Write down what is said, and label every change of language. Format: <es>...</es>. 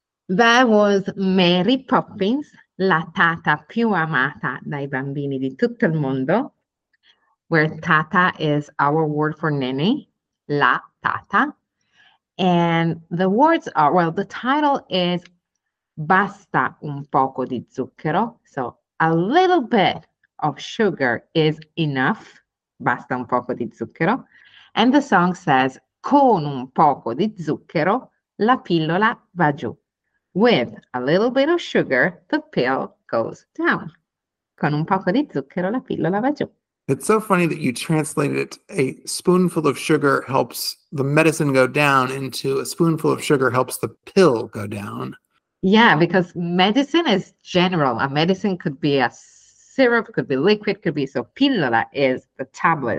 <en>That was Mary Poppins,</en> <it>la tata più amata dai bambini di tutto il mondo,</it> <en>where tata is our word for nanny,</en> <it>la tata.</it> <en>And the words are, well, the title is Basta un poco di zucchero. So a little bit of sugar is enough.</en> <it>Basta un poco di zucchero.</it> <en>And the song says,</en> <it>con un poco di zucchero, la pillola va giù.</it> <en>With a little bit of sugar, the pill goes down.</en> <it>Con un poco di zucchero la pillola va giù.</it> <en>It's so funny that you translated it, a spoonful of sugar helps the medicine go down, into a spoonful of sugar helps the pill go down. Yeah, because medicine is general. A medicine could be a syrup, could be liquid, could be, so pillola is the tablet.</en>